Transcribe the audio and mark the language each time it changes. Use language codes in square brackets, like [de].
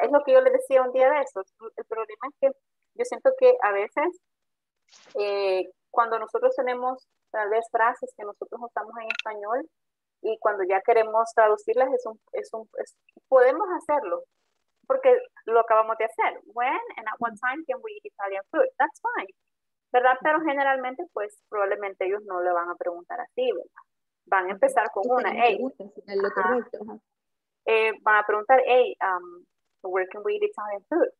[es] Es lo que yo les decía un día de esos. El problema es que yo siento que a veces, cuando nosotros tenemos tal vez frases que nosotros usamos en español y cuando ya queremos traducirlas, podemos hacerlo. Porque lo acabamos de hacer. [en] When and at what time can we eat Italian food? That's fine. ¿Verdad? [es] Pero generalmente, pues, probablemente ellos no le van a preguntar así, ¿verdad? Van a empezar con una. Hey. Lo correcto. Van a preguntar, [en] hey, where can we eat Italian food?